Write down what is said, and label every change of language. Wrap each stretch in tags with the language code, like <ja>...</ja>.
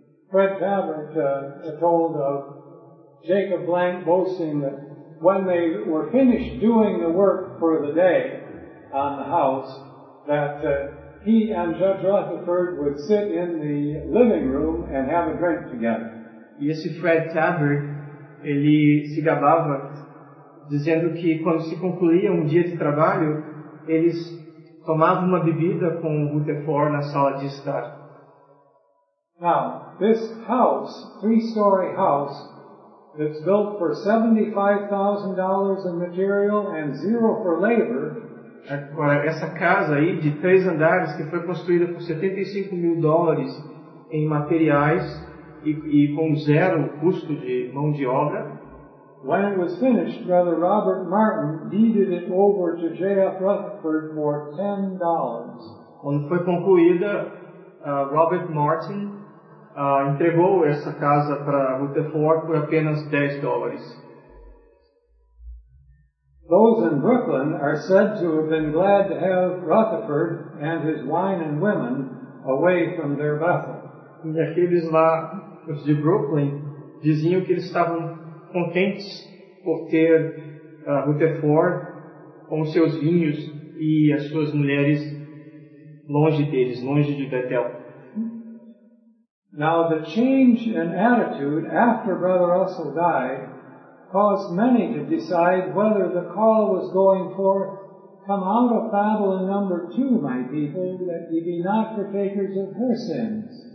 <en>Fred Tabert told of Jacob Blank boasting that when they were finished doing the work for the day on the house, that he and Judge Rutherford would sit in the living room and have a drink together.</en> <pt>E esse Fred Tabert, ele se gabava dizendo que quando se concluía um dia de trabalho, eles tomavam uma bebida com o Rutherford na sala de estar.</pt> <en>Now, this house, three-story house, that's built for $75,000 in material and zero for labor.</en> <pt>Agora, essa casa aí de três andares que foi construída por $75,000 em materiais e com zero custo de mão de obra.</pt> <en>When it was finished, Brother Robert Martin deeded it over to J.F. Rutherford for $10.</en> <pt>Quando foi concluída, Robert Martin entregou essa casa para Rutherford por apenas $10.</pt> <en>Those in Brooklyn are said to have been glad to have Rutherford and his wine and women away from their Bethel.</en> <pt>E aqueles lá, os de Brooklyn, diziam que eles estavam contentes por ter Rutherford com seus vinhos e as suas mulheres longe deles, longe de Betel.</pt> <en>Now the change in attitude after Brother Russell died caused many to decide whether the call was going forth, come out of Babylon number two, my people, that ye be not partakers of her sins.</en>